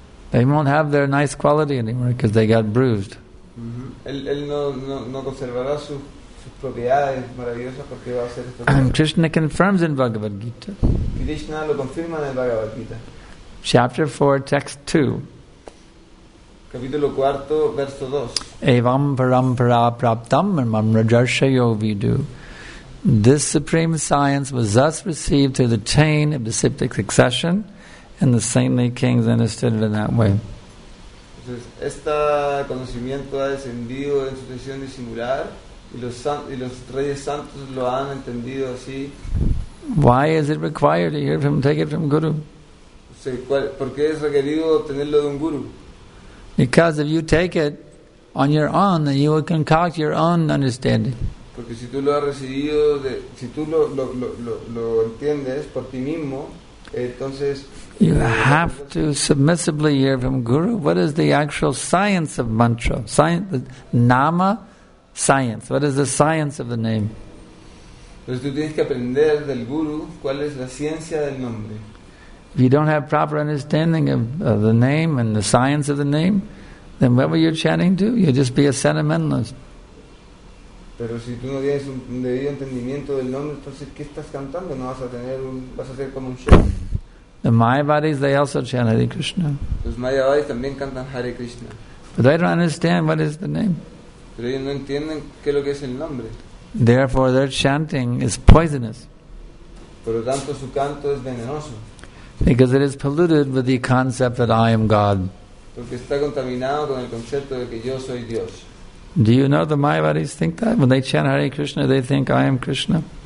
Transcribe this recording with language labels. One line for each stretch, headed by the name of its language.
English: They won't have their nice quality anymore because they got bruised.
Spanish: Él no conservará sus propiedades maravillosas porque va a ser estropeado.
English: And Krishna confirms in Bhagavad Gita.
Spanish: Krishna lo confirma en el Bhagavad Gita.
English: Chapter 4, text 2.
Spanish: Capítulo 4, verso 2.
Sanskrit: Evam parampara praptam rajarshayo vidu.
English: This supreme science was thus received through the chain of disciplic succession, and the saintly kings understood it in that way.
Spanish: Entonces, este conocimiento ha descendido en sucesión disimular, y los reyes santos lo han entendido así.
English: Why is it required to hear from, take it from Guru?
Spanish: ¿Por qué es requerido obtenerlo de un guru?
English: Because if you take it on your own, then you will concoct your own understanding.
Spanish: Porque si tú lo has recibido, de, si tú lo entiendes por ti mismo, entonces
English: you have to submissively hear from Guru. What is the actual science of mantra? Science, nama, science. What is the science of the name?
Spanish: Entonces tú tienes que aprender del Guru cuál es la ciencia del nombre.
English: If you don't have proper understanding of the name and the science of the name, then whatever you're chanting to, you'll just be a sentimentalist.
Spanish: Pero si tú no tienes un debido entendimiento del nombre, entonces ¿qué estás cantando? No vas a tener un, vas a ser como un chef.
English: The Mayavadis, they also chant Hare Krishna.
Spanish: Los Mayavadis también cantan Hare Krishna.
English: But they don't understand what is the name.
Spanish: Pero ellos no entienden qué es lo que es el nombre.
English: Therefore, their chanting is poisonous.
Spanish: Por lo tanto, su canto es venenoso.
English: Because it is polluted with the concept that I am God.
Spanish: Porque está contaminado con el concepto de que yo soy Dios.
English: Do you know the Mayavadis think that? When they chant Hare Krishna, they think I am Krishna.